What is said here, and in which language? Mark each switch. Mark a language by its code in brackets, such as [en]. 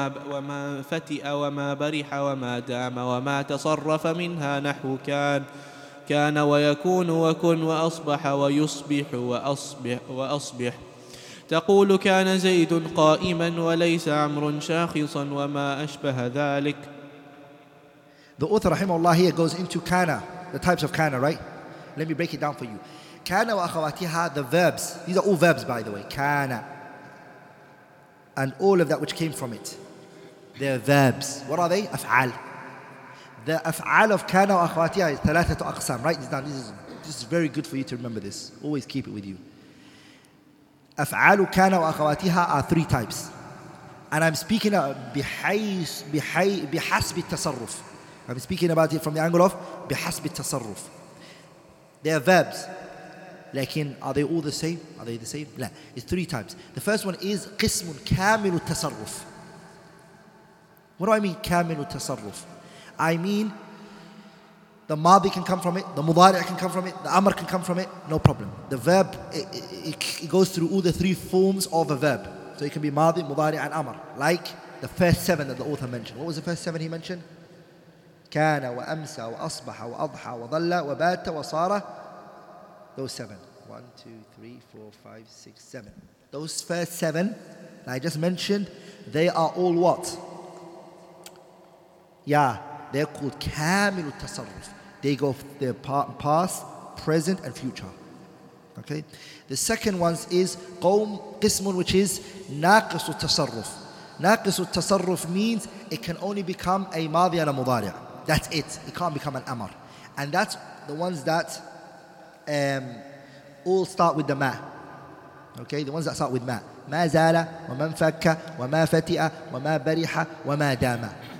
[ar] وما فتئ وما برح وما دام وما تصرف منها نحو كان كان ويكون وكن وأصبح ويصبح وأصبح تقول كان زيد قائما وليس عمرو شاخصا وما أشبه ذلك. [en] The author [ar] رحمه الله [en] here goes into kana, the types of kana, right? Let me break it down for you. Kana [ar] وأخواتها, [en] the verbs, these are all verbs by the way, kana. And all of that which came from it, they're verbs. What are they? أفعال. The أفعال of kana وأخواتها is [ar] ثلاثة أقسام, [en] right? This is very good for you to remember this. Always keep it with you. [ar] أفعال كان وأخواتها [en] are three types. And I'm speaking [ar] بحسب التصرف. [en] I'm speaking about it from the angle of [ar] بحسب التصرف. [en] They are verbs. [ar] لكن [en] are they all the same? Are they the same? [ar] لا. [en] It's three types. The first one is [ar] قسم كامل التصرف. [en] What do I mean [ar] كامل التصرف? [en] I mean the ماضي can come from it, the مضارع can come from it, the أمر can come from it, no problem. The verb, it goes through all the three forms of a verb. So it can be ماضي, مضارع, and أمر. Like the first seven that the author mentioned. What was the first seven he mentioned? [ar] كان وأمسى وأصبح وأضحى وظل وبات وصار. [en] Those seven. 1, 2, 3, 4, 5, 6, 7. Those first seven that I just mentioned, they are all what? Yeah. They're called [ar] كامل التصرف. [en] They go their past, present, and future. Okay? The second one is [ar] قوم قسم, [en] which is [ar] ناقص التصرف. ناقص التصرف [en] means it can only become a ماضي and a مضارع. That's it. It can't become an أمر. And that's the ones that all start with the ما. Okay? The ones that start with ما. [ar] ما زال وما انفك وما فتئ وما برح وما دام.